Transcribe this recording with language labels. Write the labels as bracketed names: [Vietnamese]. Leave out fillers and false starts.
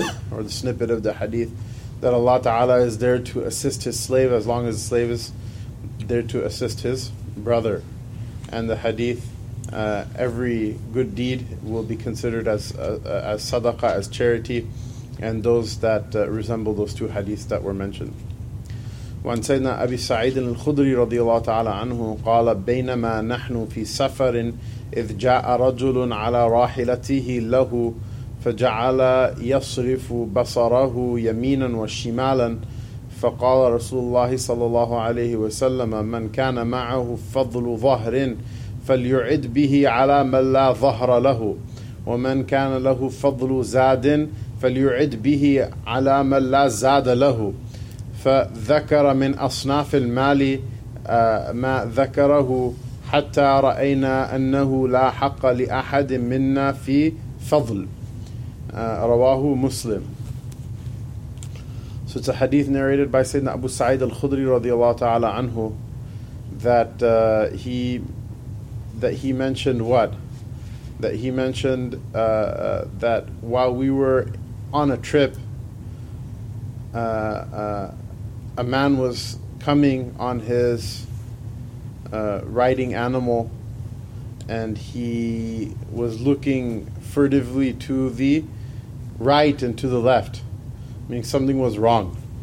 [English] or the snippet of the hadith that Allah Ta'ala is there to assist his slave as long as the slave is there to assist his brother, and the hadith every good deed will be considered as sadaqah, as charity, and those that resemble those two hadiths that were mentioned. [Arabic] وعن سيدنا أبي سعيد الخدري رضي الله تعالى عنه قال بينما نحن في سفر إذ جاء رجل على راحلته له فجعل يصرف بصره يمينا وشمالا فقال رسول الله صلى الله عليه وسلم من كان معه فضل ظهر فليعد به على من لا ظهر له ومن كان له فضل زاد فليعد به على من لا زاد له فذكر من أصناف المال ما ذكره حتى رأينا أنه لا حق لأحد منا في فضل رواه مسلم. [English] So it's a hadith narrated by Sayyidina Abu Sa'id al-Khudri radiallahu ta'ala anhu that he mentioned what? That he mentioned that while we were on a trip, a man was coming on his riding animal, and he was looking furtively to the right and to the left, meaning something was wrong.